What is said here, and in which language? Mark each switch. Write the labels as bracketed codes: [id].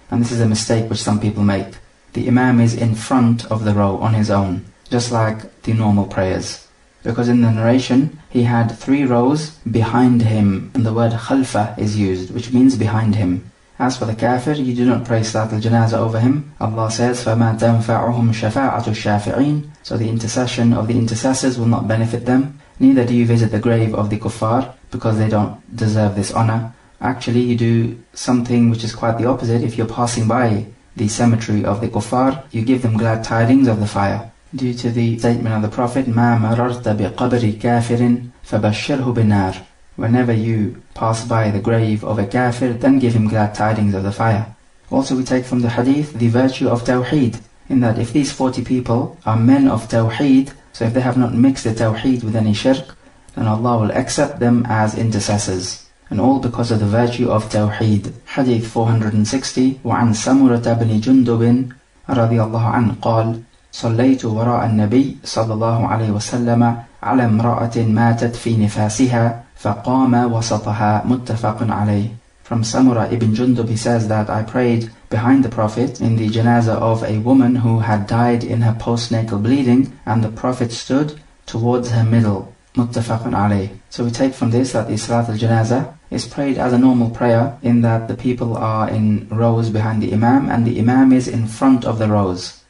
[en] And this is a mistake which some people make. The Imam is in front of the row on his own, just like the normal prayers. Because in the narration, he had 3 rows behind him, and the word khalfa is used, which means behind him. As for the kafir, you do not pray Salat al-Janazah over him. Allah says, [ar] فَمَا تَنْفَعُهُمْ شَفَاعَةُ الشَّافِعِينَ. [en] So the intercession of the intercessors will not benefit them. Neither do you visit the grave of the kuffar, because they don't deserve this honor. Actually, you do something which is quite the opposite. If you're passing by the cemetery of the kuffar, you give them glad tidings of the fire. Due to the statement of the Prophet, [ar] مَا مَرَرْتَ بِقَبْرِ كَافِرٍ فَبَشِّرْهُ بِالنَّارِ. [en] Whenever you pass by the grave of a kafir, then give him glad tidings of the fire. Also, we take from the hadith the virtue of tawheed, in that if these 40 people are men of tawheed, so if they have not mixed the tawheed with any shirk, then Allah will accept them as intercessors. And all because of the virtue of tawheed. [ar] Hadith 460, وَعَنْ سَمُرَةَ بْنِ جُنْدُبٍ رَضِيَ اللَّهُ عَنْهُ قَالَ صليت وراء النبي صلى الله عليه وسلم على امرأة ماتت في نفاسها فقام وسطها متفق عليه. [en] From Samura ibn Jundub, he says that I prayed behind the Prophet in the janazah of a woman who had died in her postnatal bleeding, and the Prophet stood towards her middle. [ar] متفق عليه. [en] So we take from this that the Salat al-Janazah is prayed as a normal prayer, in that the people are in rows behind the Imam and the Imam is in front of the rows.